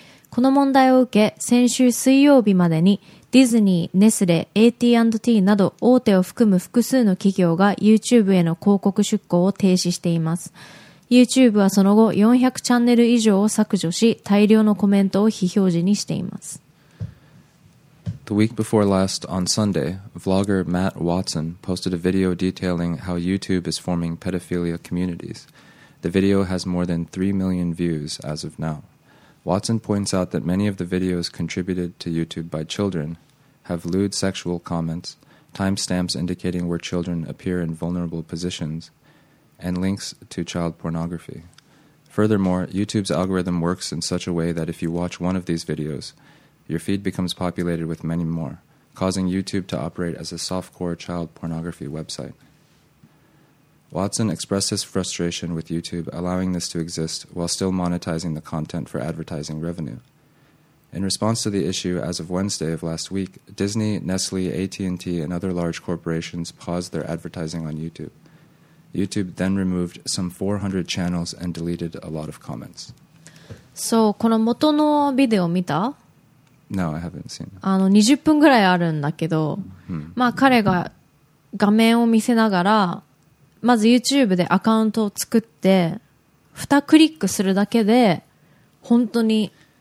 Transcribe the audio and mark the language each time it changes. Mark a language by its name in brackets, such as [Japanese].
[Japanese] この問題を受け、先週水曜日までにディズニー、ネスレ、AT&T など大手を含む複数の企業が YouTube への広告出稿を停止しています。 YouTube はその後400チャンネル以上を削除し、大量のコメントを非表示にしています。 [English] The week before last, on Sunday, vlogger Matt Watson posted a video detailing how YouTube is forming pedophilia communities. The video has more than 3 million views as of now. Watson points out that many of the videos contributed to YouTube by children have lewd sexual comments, timestamps indicating where children appear in vulnerable positions, and links to child pornography. Furthermore, YouTube's algorithm works in such a way that if you watch one of these videos,Your feed becomes populated with many more, causing YouTube to operate as a softcore child pornography website. Watson expressed his frustration with YouTube allowing this to exist while still monetizing the content for advertising revenue. In response to the issue, as of Wednesday of last week, Disney, Nestle, AT&T, and other large corporations paused their advertising on YouTube. YouTube then removed some 400 channels and deleted a lot of comments. [Japanese] So, この元のビデオ見た? [English] No, I haven't seen. [Japanese] あの20分ぐらいあるんだけど、まあ彼が画面を見せながらまず YouTube でアカウントを作って2クリックするだけで本当に